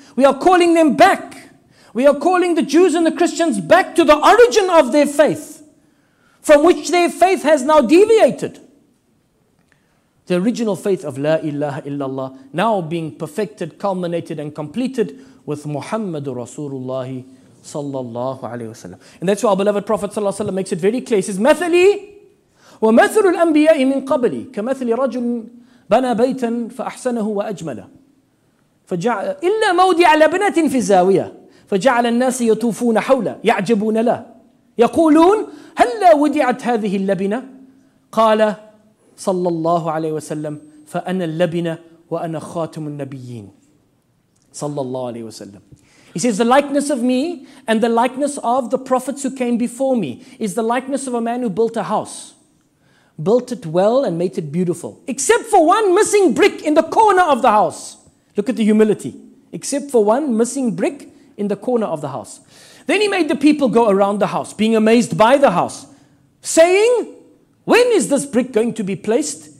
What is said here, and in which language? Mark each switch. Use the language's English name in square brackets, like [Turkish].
[English] We are calling them back. We are calling the Jews and the Christians back to the origin of their faith, from which their faith has now deviated. The original faith of La ilaha illallah, now being perfected, culminated and completed with Muhammadur Rasulullah sallallahu alayhi wa sallam. And that's why our beloved Prophet sallallahu alayhi wa sallam makes it very clear. He says, [Arabic] مَثَلِي وَمَثَلُ الْأَنْبِيَاءِ مِنْ قَبْلِي كَمَثَلِ رَجُلٍ بَنَى بَيْتًا فَأَحْسَنَهُ وَأَجْمَلَهُ فَجَعَ إِلَّا مَوْدِعَ لَبْنَةٍ فِي الزَّاوِيَةِ فَجَعَلَ النَّاسِ يَطُوفُونَ حَوْلَهُ يَعْجَبُونَ لَهُ يَقُولُونَ هَلَّا وُدِعَتْ هَذِهِ اللَّبِنَةِ قَالَ صلى الله عليه وسلم فأنا اللبنة وأنا خاتم النبيين صلى الله عليه وسلم. [English] He says, the likeness of me and the likeness of the prophets who came before me is the likeness of a man who built a house, built it well and made it beautiful, except for one missing brick in the corner of the house. Look at the humility. Except for one missing brick in the corner of the house. Then he made the people go around the house, being amazed by the house, saying, when is this brick going to be placed?